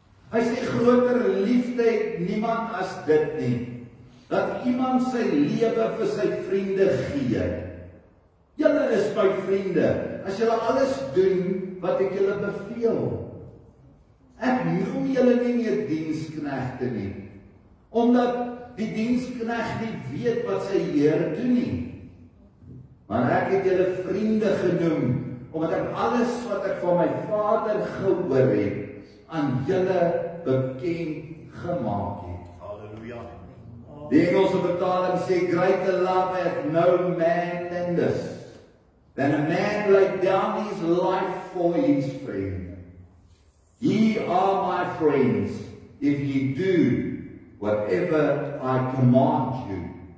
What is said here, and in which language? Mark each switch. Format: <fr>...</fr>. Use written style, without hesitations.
<af>Hy sê groter liefde het niemand as dit nie, dat iemand sy lewe vir sy vriende gee. Julle is my vriende, as julle alles doen wat ek julle beveel. Ek noem julle nie meer diensknegte nie, omdat die diensknegt nie weet wat sy Heer doen nie. Maar ek het julle vriende genoem, omdat ek alles wat ek van my Vader gehoor het, aan julle bekend gemaak het. Halleluja. Die Engelse vertaling sê,</af> <en>greater love hath no man than this, than a man laid down his life for his friend. Ye are my friends, if ye do whatever I command you.</en>